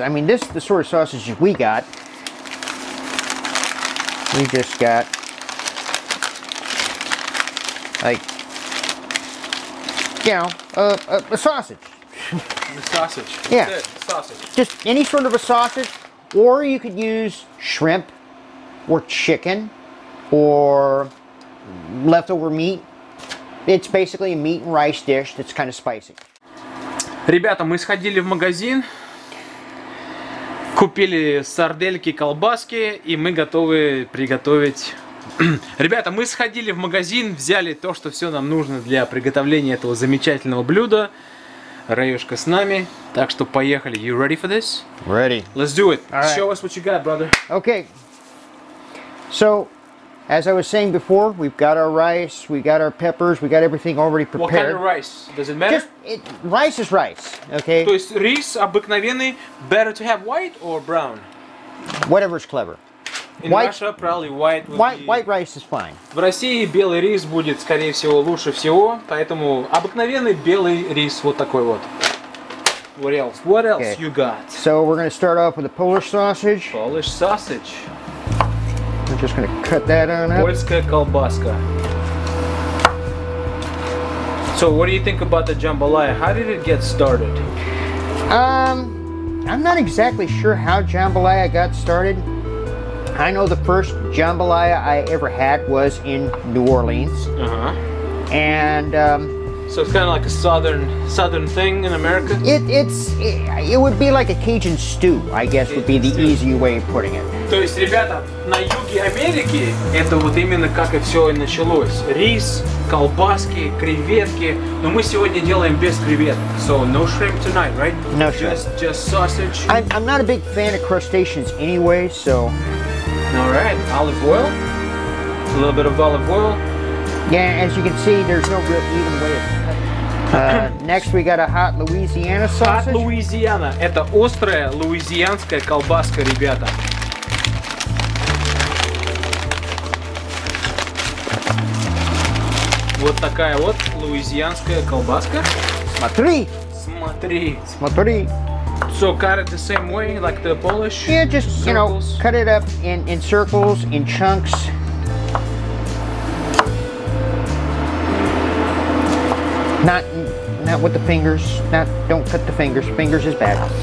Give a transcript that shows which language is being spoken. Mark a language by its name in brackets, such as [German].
[English] I mean, this is the sort of sausage we got. We just got, like, you know, a sausage. A sausage. Yeah. That's it. Sausage. Just any sort of a sausage, or you could use shrimp, or chicken, or leftover meat. It's basically a meat and rice dish that's kind of spicy. [Russian] Ребята, мы сходили в магазин, купили сардельки, колбаски, и мы готовы приготовить... Ребята, мы сходили в магазин, взяли то, что все нам нужно для приготовления этого замечательного блюда. Раюшка с нами, так что поехали. [English] You ready for this? Ready. Let's do it. All right. Show us what you got, brother. Okay. So, as I was saying before, we've got our rice, we got our peppers, we got everything already prepared. What kind of rice? Does it matter? Rice is rice, okay? [Russian] То есть рис обыкновенный, [English] better to have white or brown? Whatever's clever. In white, Russia, probably white would white, be... White rice is fine. [Russian] В России белый рис будет, скорее всего, лучше всего, поэтому обыкновенный белый рис вот такой вот. [English] What else? What else okay. You got? So we're going to start off with a Polish sausage. Polish sausage. I'm just going to cut that on up. [Russian] Польская колбаска. [English] So what do you think about the jambalaya? How did it get started? I'm not exactly sure how jambalaya got started. I know the first jambalaya I ever had was in New Orleans. Uh-huh. And so it's kind of like a southern thing in America? It would be like a Cajun stew, I guess, would be the easy way of putting it. [Russian] То есть, ребята, на юге Америки это вот именно как и все и началось. Рис, колбаски, креветки. Но мы сегодня делаем без креветок. [English] So, no shrimp tonight, right? No just sausage. I'm not a big fan of crustaceans anyway, so... All right, olive oil. A little bit of olive oil. Yeah, as you can see, there's no real even way of next, we got a hot Louisiana sausage. Hot Louisiana. [Russian] Это острая луизианская колбаска, ребята. Вот такая вот луизианская колбаска. Смотри! Смотри! Смотри! [English] So, cut it the same way, like the Polish? Yeah, just, circles. You know, cut it up in circles, in chunks. Not with the fingers. Don't cut the fingers. Fingers is bad.